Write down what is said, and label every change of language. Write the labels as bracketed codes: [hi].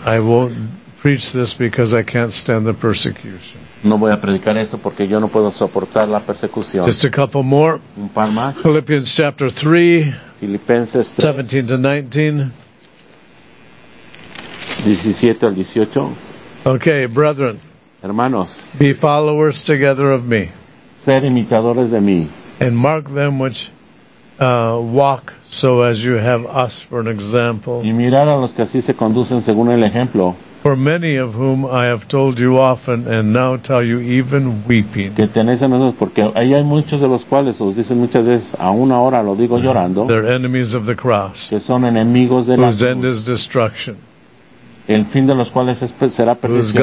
[en] I won't preach this because I can't stand the persecution. [es] No voy a predicar esto porque yo no puedo soportar la persecución. [en] Just a couple more. [es] Un par más. [en] Philippians chapter 3. [es] Filipenses 3. [en] 17 to 19. [es] 17 al 18. [en] Okay, brethren. [es] Hermanos. [en] Be followers together of me. [es] Ser imitadores de mí. [en] And mark them which walk so as you have us for an example. [es] Y mirar a los que así se conducen según el ejemplo. [en] For many of whom I have told you often and now tell you even weeping. [es] Que tenéis en nosotros, porque ahí hay muchos de los cuales os dicen muchas veces, aún ahora lo digo llorando. [en] They're enemies of the cross. [es] Que son enemigos de la cruz. [en] Whose end is destruction. [es] El fin de los cuales es, será perdición.